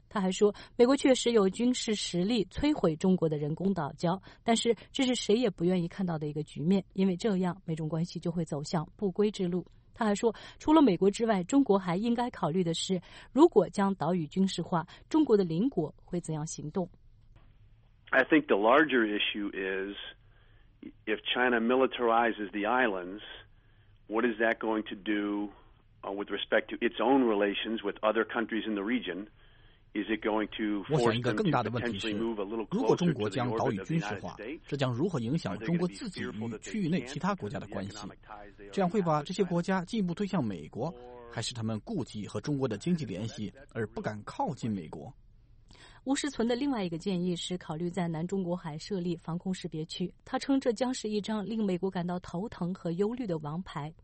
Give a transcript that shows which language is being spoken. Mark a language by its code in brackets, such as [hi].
[zh] 他还说，美国确实有军事实力摧毁中国的人工岛礁，但是这是谁也不愿意看到的一个局面，因为这样美中关系就会走向不归之路。他还说，除了美国之外，中国还应该考虑的是，如果将岛屿军事化，中国的邻国会怎样行动。 [en] I think the larger issue is if China militarizes the islands, what is that going to do with respect to its own relations with other countries in the region? Is it going to force them to potentially move a little closer to the United States? [zh] 如果中国将岛屿军事化，这将如何影响中国自己与区域内其他国家的关系？这样会把这些国家进一步推向美国，还是他们顾忌和中国的经济联系而不敢靠近美国？吴世存的另外一个建议是考虑在南中国海设立防空识别区，他称这将是一张令美国感到头疼和忧虑的王牌。